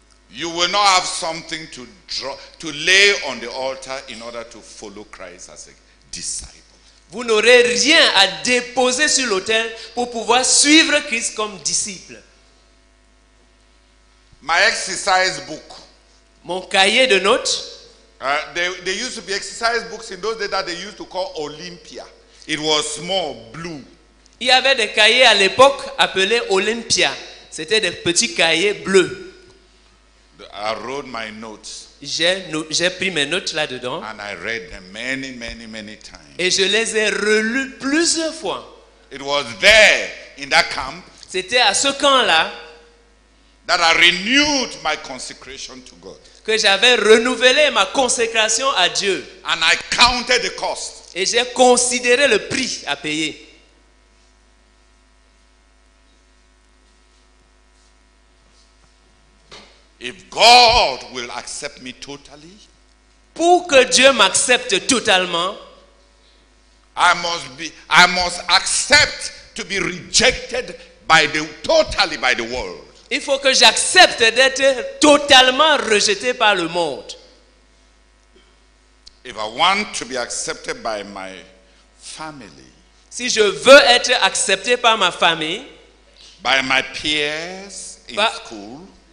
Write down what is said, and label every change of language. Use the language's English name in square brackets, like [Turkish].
[English] you will not have something to draw, to lay on the altar in order to follow Christ as a disciple. [French] Vous n'aurez rien à déposer sur l'autel pour pouvoir suivre Christ comme disciple. [English] My exercise book. [French] Mon cahier de notes. [English] There used to be exercise books in those days that they used to call Olympia. It was small, blue. [French] Il y avait des cahiers à l'époque appelés Olympia. C'était des petits cahiers bleus. [English] I wrote my notes. [French] J'ai pris mes notes là-dedans. [English] And I read them many, many, many times. [French] Et je les ai relus plusieurs fois. [English] It was there in that camp. [French] C'était à ce camp-là. [English] That I renewed my consecration to God. [French] Que j'avais renouvelé ma consécration à Dieu. [English] And I counted the cost. [French] Et j'ai considéré le prix à payer. [English] If God will accept me totally, [French] pour que Dieu m'accepte totalement, [English] I must accept to be rejected totally by the world. [French] Il faut que j'accepte d'être totalement rejeté par le monde. [English] If I want to be accepted by my family, [French] si je veux être accepté par ma famille, [English] by my peers in school,